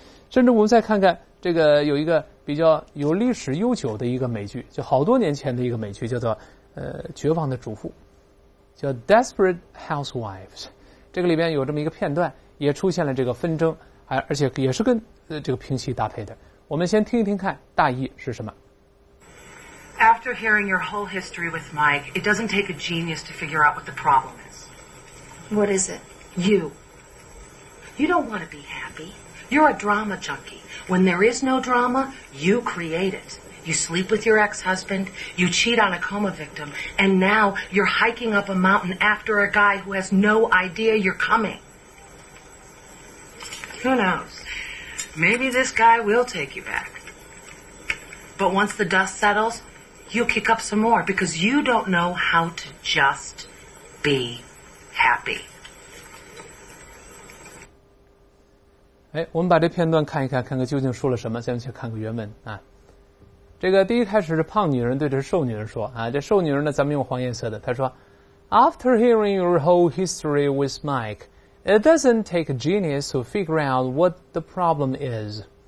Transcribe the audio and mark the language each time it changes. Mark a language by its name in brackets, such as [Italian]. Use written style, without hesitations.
[Chinese] 甚至我们再看看这个有一个比较有历史悠久的一个美剧，就好多年前的一个美剧，叫做绝望的主妇，叫 Desperate Housewives， 这个里边有这么一个片段，也出现了这个纷争，而且也是跟这个平息搭配的，我们先听一听看大意是什么。 [English] After hearing your whole history with Mike, it doesn't take a genius to figure out what the problem is. What is it? You don't want to be happy. You're a drama junkie. When there is no drama, you create it. You sleep with your ex-husband, you cheat on a coma victim, and now you're hiking up a mountain after a guy who has no idea you're coming. Who knows? Maybe this guy will take you back. But once the dust settles, you'll kick up some more because you don't know how to just be happy. [Chinese] 我们把这片段看一看，看看究竟说了什么，咱们去看个原文啊。这个第一开始是胖女人对着瘦女人说啊，这瘦女人呢，咱们用黄颜色的，她说 ， [English] After hearing your whole history with Mike, it doesn't take a genius to figure out what the problem is。